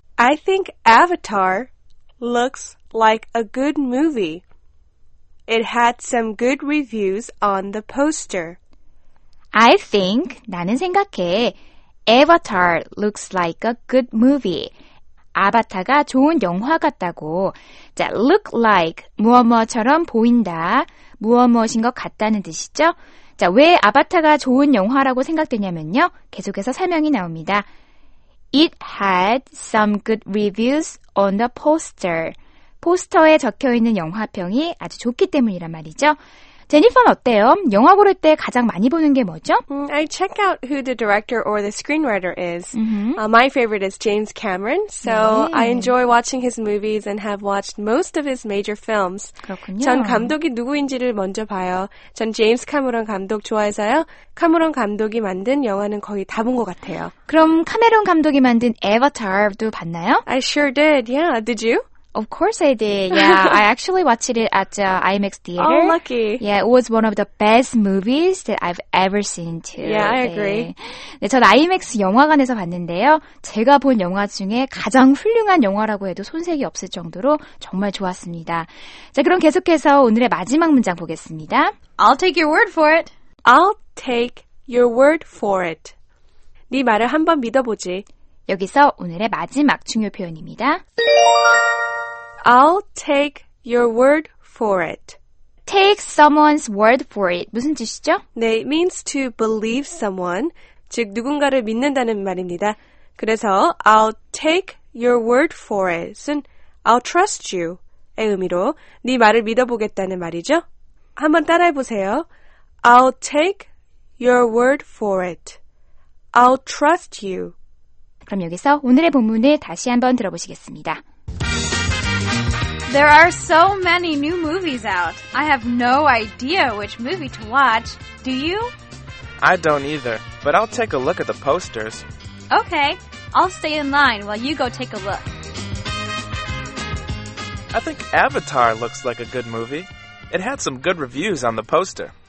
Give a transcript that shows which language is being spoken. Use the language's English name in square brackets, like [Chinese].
[English] I think Avatar looks like a good movie. It had some good reviews on the poster. I think [Korean] 나는 생각해 [English] Avatar looks like a good movie. [Korean] 아바타가 좋은 영화 같다고. 자, look like, 무엇무엇처럼 보인다, 무엇무엇인 것 같다는 뜻이죠. 자, 왜 아바타가 좋은 영화라고 생각되냐면요. 계속해서 설명이 나옵니다. [English] It had some good reviews on the poster. [Korean] 포스터에 적혀있는 영화평이 아주 좋기 때문이란 말이죠. 제니퍼는 어때요? 영화 고를 때 가장 많이 보는 게 뭐죠? [English] I check out who the director or the screenwriter is. Mm-hmm. My favorite is James Cameron. So 네. I enjoy watching his movies and have watched most of his major films. [Korean] 그렇군요. 전 감독이 누구인지를 먼저 봐요. 전 제임스 카메론 감독 좋아해서요. 카메론 감독이 만든 영화는 거의 다 본 것 같아요. 그럼 카메론 감독이 만든 에버타도 봤나요? [English] I sure did. Yeah, did you? Of course I did. Yeah, I actually watched it at the IMAX theater. Oh, lucky. Yeah, it was one of the best movies that I've ever seen too. Yeah, I agree. [Korean] 네, 전 IMAX 영화관에서 봤는데요. 제가 본 영화 중에 가장 훌륭한 영화라고 해도 손색이 없을 정도로 정말 좋았습니다. 자, 그럼 계속해서 오늘의 마지막 문장 보겠습니다. [English] I'll take your word for it. I'll take your word for it. [Korean] 네 말을 한번 믿어보지. 여기서 오늘의 마지막 중요 표현입니다. [English] I'll take your word for it. Take someone's word for it. [Korean] 무슨 뜻이죠? [English] 네, it means to believe someone. [Korean] 즉 누군가를 믿는다는 말입니다. 그래서 [English] I'll take your word for it [Korean] 은 [English] I'll trust you [Korean] 의 의미로 네 말을 믿어보겠다는 말이죠. 한번 따라해보세요. [English] I'll take your word for it. I'll trust you. [Korean] 그럼 여기서 오늘의 본문을 다시 한번 들어보시겠습니다. [English] There are so many new movies out. I have no idea which movie to watch. Do you? I don't either, but I'll take a look at the posters. Okay, I'll stay in line while you go take a look. I think Avatar looks like a good movie. It had some good reviews on the poster.